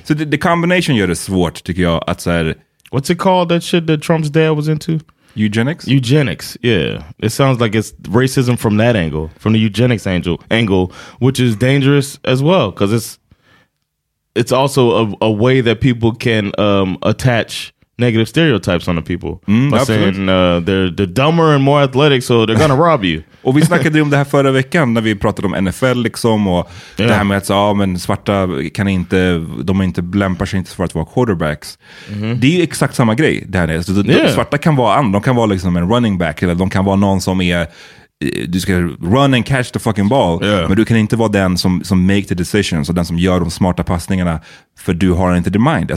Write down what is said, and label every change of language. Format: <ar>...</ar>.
<sv>The combination gör det svårt, tycker jag, att säga.</sv> <en>What's it called, that shit that Trump's dad was into? Eugenics? Eugenics, yeah. It sounds like it's racism from that angle, from the eugenics angle, which is dangerous as well, because it's also a way that people can attach negative stereotypes on the people by absolutely saying they're dumber and more athletic, so they're gonna rob you.</en> <sv>Och vi snackade om det här förra veckan när vi pratade om NFL liksom, och yeah, det här med att säga, men svarta kan inte, de inte lämpar sig inte för att vara quarterbacks. Det är ju exakt samma grej det här, så svarta kan vara de kan vara liksom en running back, eller de kan vara någon som är, du ska</sv> <en>run and catch the fucking ball,</en> <sv>men du kan inte vara den som</sv> <en>make the decisions</en> <sv>och den som gör de smarta passningarna, för du har inte</sv> <en>the mind.</en>